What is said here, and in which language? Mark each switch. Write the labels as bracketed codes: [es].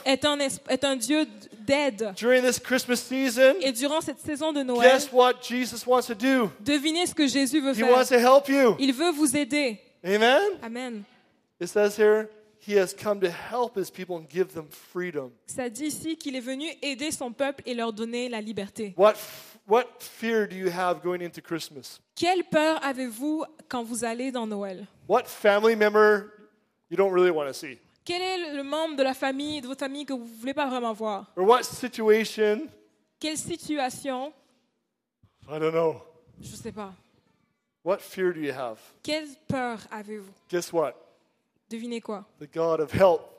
[fr] Est un Dieu d'aide. [en] During this Christmas season, [fr] et durant cette saison de Noël, [en] guess what Jesus wants to do? [fr] Devinez ce que Jésus veut [en] he [fr] faire. [en] He wants to help you. [fr] Il veut vous aider. [en] Amen. Amen. It says here, he has come to help his people and give them freedom. [fr] Ça dit ici qu'il est venu aider son peuple et leur donner la liberté. [en] What fear do you have going into Christmas? [fr] Quelle peur avez-vous quand vous allez dans Noël? [en] What family member you don't really want to see? [fr] Quel est le membre de la famille, de votre famille que vous ne voulez pas vraiment voir? [en] Or what situation? [fr] Quelle situation? [en] I don't know. [fr] Je ne sais pas. [en] What fear do you have? [fr] Quelle peur avez-vous? [en] Guess what? [fr] Devinez quoi? [en] The God of help.